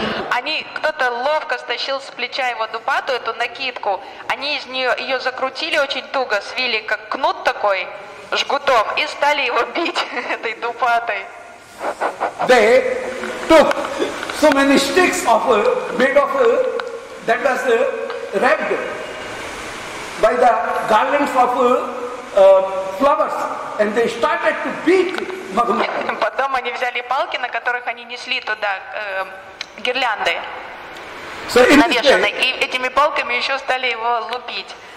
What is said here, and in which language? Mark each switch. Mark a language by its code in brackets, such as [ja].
[ru] Они, кто-то ловко стащил с плеча его дупату, эту накидку. Они из нее ее закрутили очень туго, свили как кнут такой, жгутом, и стали его бить этой дупатой. [en] They took so many sticks of made of that was wrapped by the garlands of flowers, and they started to beat. [ru] Потом они взяли палки, на которых они несли туда гирлянды, so навешаны, day, и этими палками еще стали его лупить.